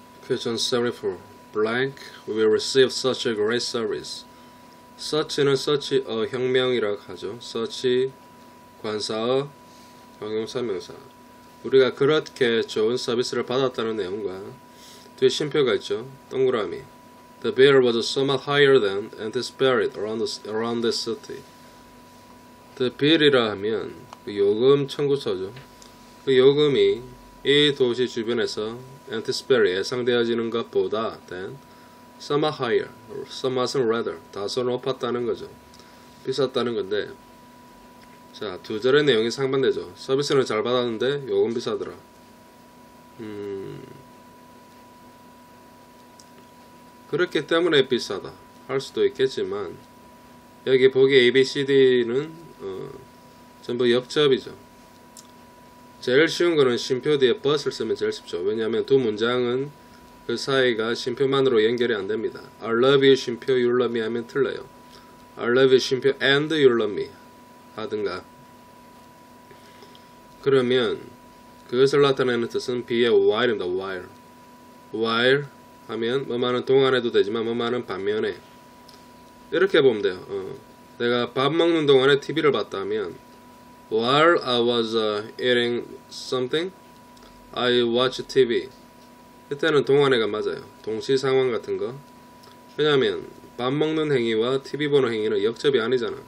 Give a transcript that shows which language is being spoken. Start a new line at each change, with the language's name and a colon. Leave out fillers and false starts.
English: Ephesians 7:4, blank, we receive such a great service.
Korean: Such는 such a 형명이라 하죠. Such 관사어 형용사명사. 우리가 그렇게 좋은 서비스를 받았다는 내용과 뒤에 쉼표가 있죠. 동그라미.
English: The bill was somewhat higher than anticipated around the city.
Korean: The bill이라 하면 그 요금 청구서죠. 그 요금이 이 도시 주변에서 anticipated 예상되어지는 것보다 than somewhat higher, somewhat rather 다소 높았다는 거죠. 비쌌다는 건데 자, 두 절의 내용이 상반되죠. 서비스는 잘 받았는데 요금 비싸더라. 그렇기 때문에 비싸다 할 수도 있겠지만 여기 보기 ABCD는 전부 역접이죠. 제일 쉬운 거는 쉼표 뒤에 but을 쓰면 제일 쉽죠. 왜냐하면 두 문장은 그 사이가 쉼표만으로 연결이 안 됩니다.
English: I love you
Korean: 쉼표
English: you love me
Korean: 하면 틀려요.
English: I love you 쉼표 and you love me
Korean: 하든가. 그러면 그것을 나타내는 뜻은 B의 while입니다.
English: While.
Korean: While 하면 뭐만은 동안에도 되지만 뭐만은 반면에. 이렇게 보면 돼요. 내가 밥 먹는 동안에 TV를 봤다면
English: While I was eating something, I watched TV.
Korean: 이때는 동안에가 맞아요. 동시상황 같은 거. 왜냐하면 밥 먹는 행위와 TV 보는 행위는 역접이 아니잖아.